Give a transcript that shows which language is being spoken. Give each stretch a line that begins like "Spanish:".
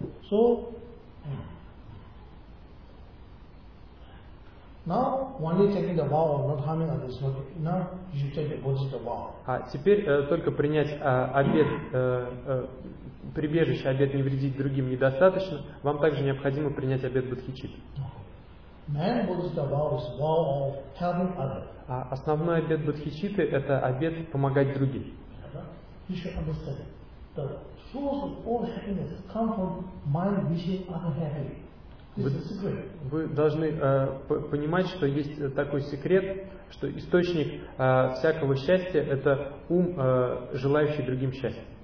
English: So now when you take the vow of not harming others, now you take what is the vow.
Russian: А теперь только принять обет, прибежище, обет не вредить другим недостаточно. Вам также необходимо принять обет бодхичитты.
English: Main Buddhist vow is vow of helping others.
Russian: А основной обет бодхичитты это обет помогать другим.
English: You should understand the source of all happiness comes from mind wishing others happy.
Russian: Вы должны понимать, что есть такой секрет, что источник всякого счастья – это ум, желающий другим счастья.